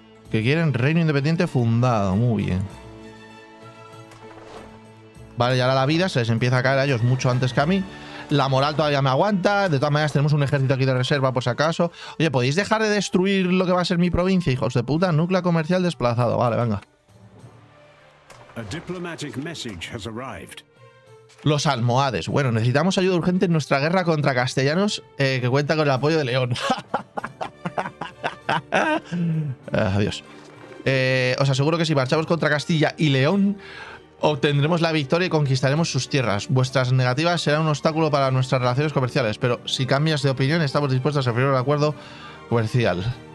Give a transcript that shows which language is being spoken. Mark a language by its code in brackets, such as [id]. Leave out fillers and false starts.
[es] Que quieren reino independiente fundado, muy bien. Vale, y ahora la vida se les empieza a caer a ellos mucho antes que a mí. La moral todavía me aguanta. De todas maneras, tenemos un ejército aquí de reserva, por si acaso. Oye, ¿podéis dejar de destruir lo que va a ser mi provincia, hijos de puta? Núcleo comercial desplazado. Vale, venga. [en] A diplomatic message has arrived. [es] Los almohades. Bueno, necesitamos ayuda urgente en nuestra guerra contra castellanos, que cuenta con el apoyo de León. Adiós. Os aseguro que si marchamos contra Castilla y León, obtendremos la victoria y conquistaremos sus tierras. Vuestras negativas serán un obstáculo para nuestras relaciones comerciales, pero si cambias de opinión, estamos dispuestos a firmar un acuerdo comercial.